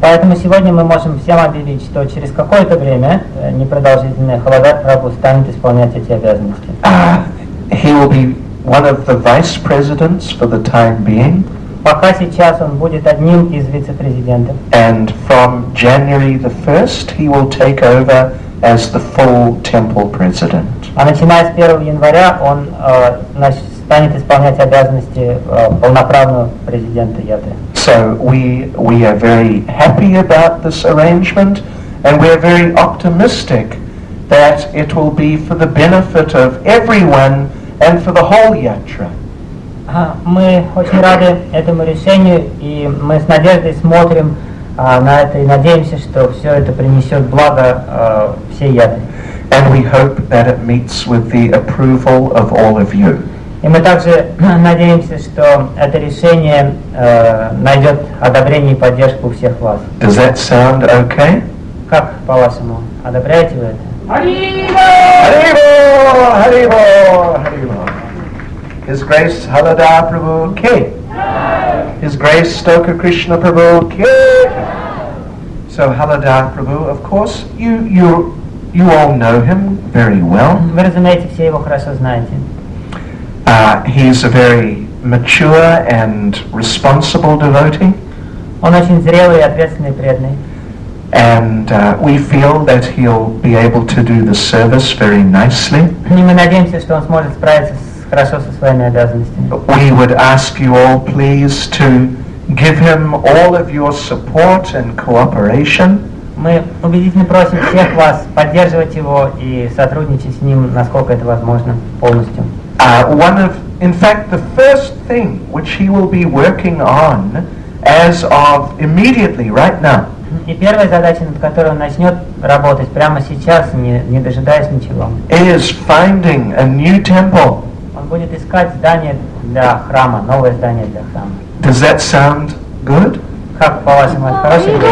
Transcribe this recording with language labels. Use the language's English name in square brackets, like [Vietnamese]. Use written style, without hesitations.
[Russian] Поэтому сегодня мы можем всем объявить, что через какое-то время непродолжительное Халадар Прабху станет исполнять эти обязанности. [English] He will be one of the vice presidents for the time being. [Russian] Пока сейчас он будет одним из вице-президентов. [English] And from January the 1st, he will take over as the full temple president. [Russian] А начиная с 1 января, он станет исполнять обязанности полноправного президента Яты. [English] So we are very happy about this arrangement, and we are very optimistic that it will be for the benefit of everyone and for the whole Yatra. [Russian] Мы очень рады этому решению, и мы с надеждой смотрим на это и надеемся, что все это принесет благо всей Ятре. [English] And we hope that it meets with the approval of all of you. [Russian] И мы также надеемся, что это решение найдет одобрение и поддержку всех вас. [English] Does that sound okay? [Russian] Как по-вашему? Одобряете вы это? Arriba! [English] Arriba! Arriba! Arriba! His Grace Halada Prabhu Ki. His Grace Stoka Krishna Prabhu Ki. So Halada Prabhu, of course, you all know him very well. [Russian] Вы разумеете, все его хорошо знаете. [English] He's a very mature and responsible devotee. [Russian] Он очень зрелый и ответственный преданный. [English] And we feel that he'll be able to do the service very nicely. [Russian] И мы надеемся, что он сможет справиться хорошо со своими обязанностями. [English] We would ask you all, please, to give him all of your support and cooperation. [Russian] Мы убедительно просим всех вас поддерживать его и сотрудничать с ним, насколько это возможно, полностью. [English] In fact, the first thing which he will be working on as of immediately, right now. [Russian] И первая задача, над которой он начнет работать прямо сейчас, не дожидаясь ничего. [English] Is finding a new temple. [Russian] Он будет искать здание для храма, новое здание для храма. [English] Does that sound good? [Russian] Как по-вашему, это хорошо?